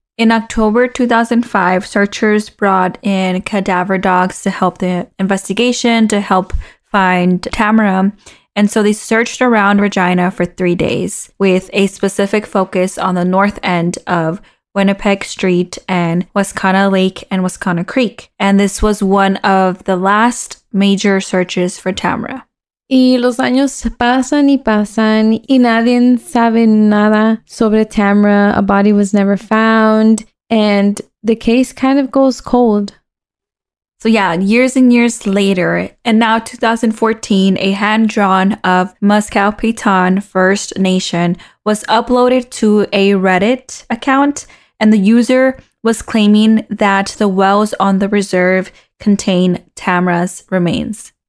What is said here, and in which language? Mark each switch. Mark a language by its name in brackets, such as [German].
[English] In October 2005, searchers brought in cadaver dogs to help the investigation, to help find Tamra. And so they searched around Regina for 3 days with a specific focus on the north end of Winnipeg Street and Wascana Lake and Wascana Creek. And this was one of the last major searches for Tamra. [Spanish] Y los años pasan y pasan y nadie sabe nada sobre Tamra. [English] A body was never found and the case kind of goes cold. So yeah, years and years later, and now 2014, a hand-drawn of Muscow Piton First Nation was uploaded to a Reddit account, and the user was claiming that the wells on the reserve contain Tamra's remains.